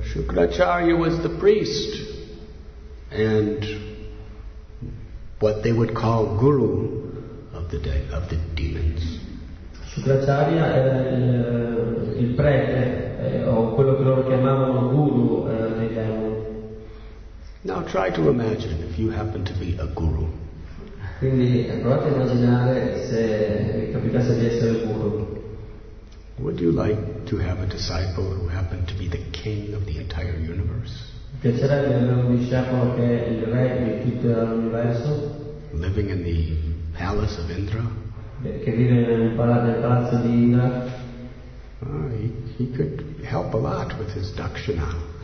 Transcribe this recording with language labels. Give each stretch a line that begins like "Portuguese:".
English: Shukracharya was the priest and what they would call guru of the demons.
Italian: Shukracharya era il prete o quello che loro chiamavano guru dei demoni.
English: Now try to imagine if you happen to be a guru.
Italian: Quindi provate a immaginare se capitasse di essere un guru.
English: Would you like to have a disciple who happened to be the king of the entire universe?
Italian: Piacerebbe avere un discepolo che è il re di tutto l'universo?
English: Living in the palace of Indra?
Italian: Che vive nel palazzo di Indra?
English: He could help a lot with his dakshina.